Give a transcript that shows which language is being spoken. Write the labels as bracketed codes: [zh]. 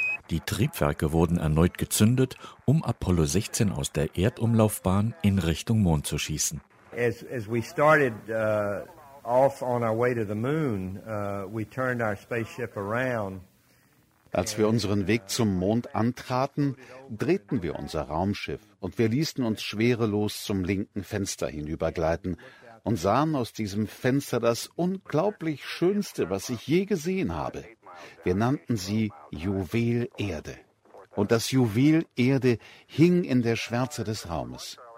[de] Die Triebwerke wurden erneut gezündet, um Apollo 16 aus der Erdumlaufbahn in Richtung Mond zu schießen. [en] As we started off on our way to the moon, we turned our spaceship around. [de] Als wir unseren Weg zum Mond antraten, drehten wir unser Raumschiff und wir ließen uns schwerelos zum linken Fenster hinübergleiten und sahen aus diesem Fenster das unglaublich Schönste, was ich je gesehen habe. Wir nannten sie Juwel Erde. Und das Juwel Erde hing in der Schwärze des Raumes.